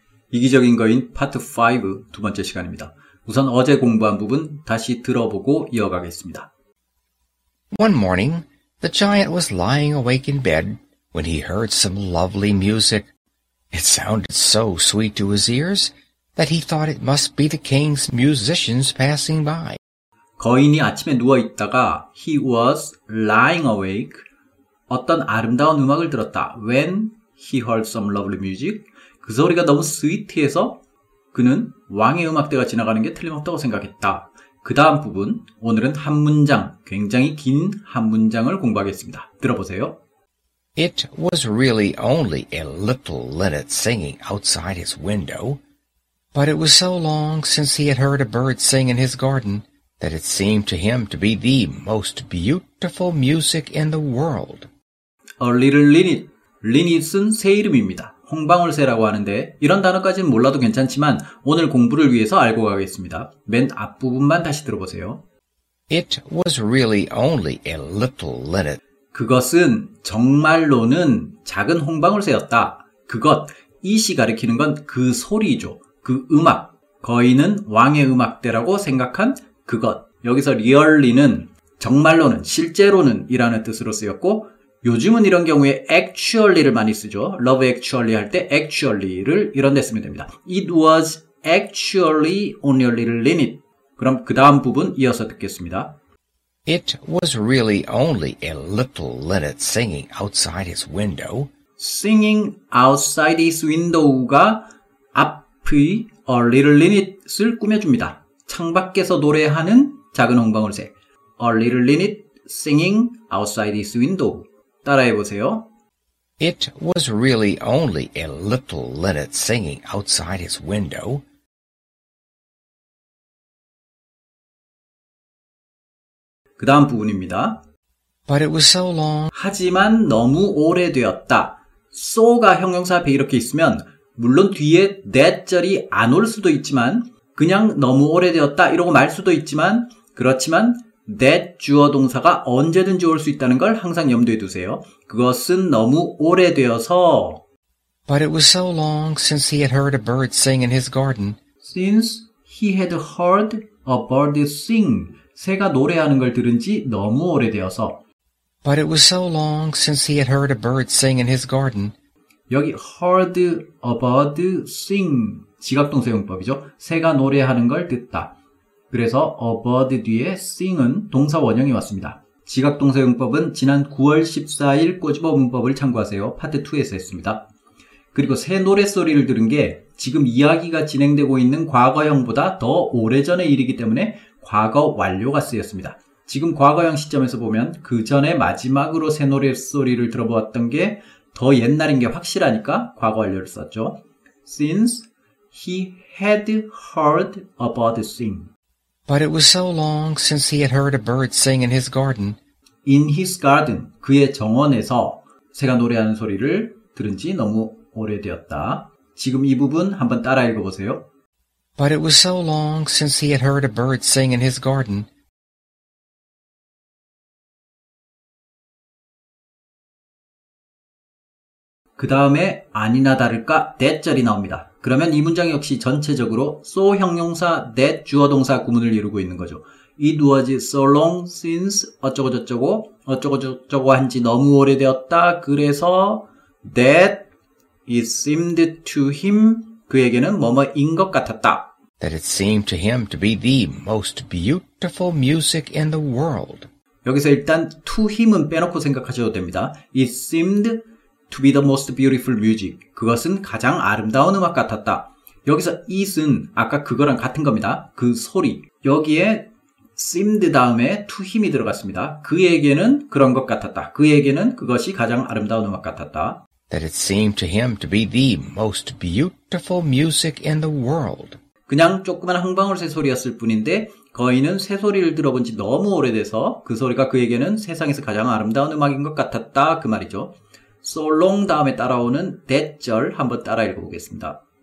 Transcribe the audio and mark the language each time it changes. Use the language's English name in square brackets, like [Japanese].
[Korean] 이기적인 거인 파트 5 두 번째 시간입니다. 우선 어제 공부한 부분 다시 들어보고 이어가겠습니다. [English] One morning, the giant was lying awake in bed when he heard some lovely music. It sounded so sweet to his ears that he thought it must be the king's musicians passing by. [Korean] 거인이 아침에 누워 있다가 [English] he was lying awake [Korean] 어떤 아름다운 음악을 들었다. [English] When he heard some lovely music [Korean] 그 소리가 너무 스위트해서 그는 왕의 음악대가 지나가는 게 틀림없다고 생각했다. 그 다음 부분, 오늘은 한 문장, 굉장히 긴 한 문장을 공부하겠습니다. 들어보세요. [English] It was really only a little linnet singing outside his window, but it was so long since he had heard a bird sing in his garden that it seemed to him to be the most beautiful music in the world. A little linnet, linnet은 [Korean] 새 이름입니다. 홍방울새라고 하는데 이런 단어까지는 몰라도 괜찮지만 오늘 공부를 위해서 알고 가겠습니다. 맨 앞부분만 다시 들어보세요. [English] It was really only a little linnet. [Korean] 그것은 정말로는 작은 홍방울새였다. 그것, 이시 가리키는 건 그 소리죠. 그 음악, 거인은 왕의 음악대라고 생각한 그것. 여기서 really는 정말로는, 실제로는 이라는 뜻으로 쓰였고 요즘은 이런 경우에 actually를 많이 쓰죠. Love actually 할 때 actually를 이런 데 쓰면 됩니다. [English] It was actually only a little linnet. [Korean] 그럼 그 다음 부분 이어서 듣겠습니다. [English] It was really only a little linnet singing outside his window. Singing outside his window가 앞의 a little linnet을 꾸며줍니다. [Korean] 창밖에서 노래하는 작은 홍방울새. [English] A little linnet singing outside his window. [Korean] 따라해보세요. [English] It was really only a little linnet singing outside his window. [Korean] 그 다음 부분입니다. [English] But it was so long. [Korean] 하지만 너무 오래되었다. So가 형용사 앞에 이렇게 있으면 물론 뒤에 that절이 안 올 수도 있지만 그냥 너무 오래되었다 이러고 말 수도 있지만 그렇지만 that 주어 동사가 언제든지 올 수 있다는 걸 항상 염두에 두세요. 그것은 너무 오래되어서 [English] But it was so long since he had heard a bird sing in his garden. Since he had heard a bird sing. [Korean] 새가 노래하는 걸 들은 지 너무 오래되어서 [English] But it was so long since he had heard a bird sing in his garden. [Korean] 여기 heard a bird sing 지각동사용법이죠. 새가 노래하는 걸 듣다. 그래서 a bird 뒤에 sing은 동사 원형이 왔습니다. 지각동사용법은 지난 9월 14일 꼬집어 문법을 참고하세요. 파트 2에서 했습니다. 그리고 새 노래소리를 들은 게 지금 이야기가 진행되고 있는 과거형보다 더 오래전의 일이기 때문에 과거 완료가 쓰였습니다. 지금 과거형 시점에서 보면 그 전에 마지막으로 새 노래소리를 들어보았던 게 더 옛날인 게 확실하니까 과거 완료를 썼죠. [English] Since he had heard a bird sing. But it was so long since he had heard a bird sing in his garden. In his garden, [Korean] 그의 정원에서 새가 노래하는 소리를 들은 지 너무 오래되었다. 지금 이 부분 한번 따라 읽어보세요. [English] But it was so long since he had heard a bird sing in his garden. [Korean] 그 다음에 아니나 다를까 that절이 나옵니다. 그러면 이 문장 역시 전체적으로 so 형용사 that 주어동사 구문을 이루고 있는 거죠. It was so long since 어쩌고저쩌고 어쩌고저쩌고 한지 너무 오래되었다. 그래서 [English] that it seemed to him [Korean] 그에게는 뭐뭐인 것 같았다. [English] That it seemed to him to be the most beautiful music in the world. [Korean] 여기서 일단 to him은 빼놓고 생각하셔도 됩니다. [English] It seemed to be the most beautiful music. [Korean] 그것은 가장 아름다운 음악 같았다. 여기서 it은 아까 그거랑 같은 겁니다. 그 소리. 여기에 seemed 다음에 to him이 들어갔습니다. 그에게는 그런 것 같았다. 그에게는 그것이 가장 아름다운 음악 같았다. [English] That it seemed to him to be the most beautiful music in the world. [Korean] 그냥 조그만 홍방울새 소리였을 뿐인데 거인은 새 소리를 들어본 지 너무 오래돼서 그 소리가 그에게는 세상에서 가장 아름다운 음악인 것 같았다. 그 말이죠. So long 다음에 따라오는 that절 한번 따라 읽어보겠습니다.